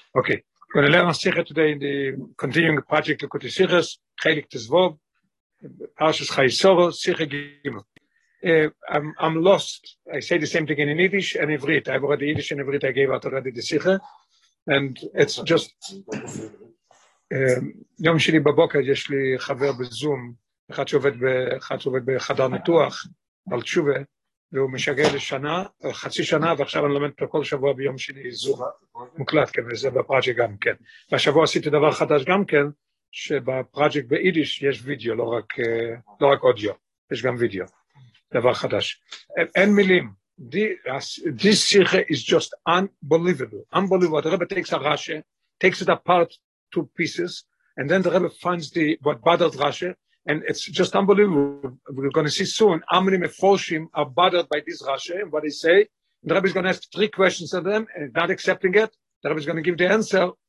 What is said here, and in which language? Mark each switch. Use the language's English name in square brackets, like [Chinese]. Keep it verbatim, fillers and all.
[English] Okay, we're going to learn Sikha today in the continuing project of Likutei Sichos, Chelik Tezvov, Parshas Chayesoro, Sikha Gimel. Uh, I'm, I'm lost. I say the same thing in Yiddish and Ivrit. I've already Yiddish and Ivrit. I gave out already the Sikha. And it's just... [Hebrew] יום שני בבוקר יש לי חבר בזום, אחד שעובד אחד שעובד בחדר ניתוח, על תשובה, והוא משגע לשנה, חצי שנה, ועכשיו אני לומד פה כל שבוע ביום שני זום, מוקלט, כן, וזה בפראג'ק גם כן. והשבוע עשיתי דבר חדש גם כן, שבפראג'ק ביידיש יש וידאו, לא רק, לא רק אודיו, יש גם וידאו, דבר חדש. אין מילים. [English] This Sikha is just unbelievable, unbelievable. The Rebbe takes a Rashi, takes it apart, two pieces, and then the Rebbe finds the what bothered Rashi, and it's just unbelievable. We're going to see soon how many meforshim are bothered by this Rashi and what they say. And the Rebbe is going to ask three questions of them, and not accepting it, the Rebbe is going to give the answer.